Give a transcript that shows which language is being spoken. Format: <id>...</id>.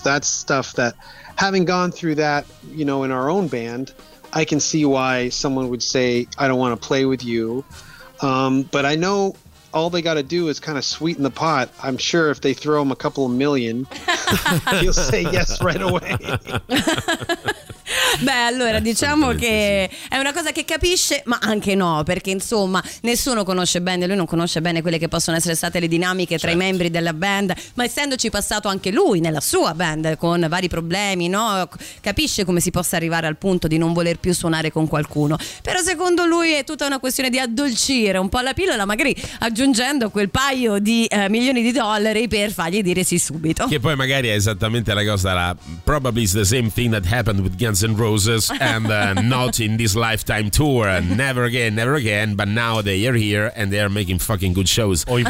<en>That's stuff that, having gone through that, you know, in our own band, I can see why someone would say, I don't want to play with you. But I know all they got to do is kind of sweeten the pot. I'm sure if they throw him a couple of million, he'll say yes right away.</en> <it>Beh, allora, diciamo che è una cosa che capisce, ma anche no, perché insomma nessuno conosce bene, lui non conosce bene quelle che possono essere state le dinamiche tra, certo, i membri della band, ma essendoci passato anche lui nella sua band con vari problemi, no, capisce come si possa arrivare al punto di non voler più suonare con qualcuno. Però secondo lui è tutta una questione di addolcire un po' la pillola, magari aggiungendo quel paio di milioni di dollari per fargli dire sì subito. Che poi magari è esattamente la cosa, la</it> <en>probably is the same thing that happened with Guns and Roses, and not in this lifetime tour, never again, never again, but now they are here and they are making fucking good shows.</en>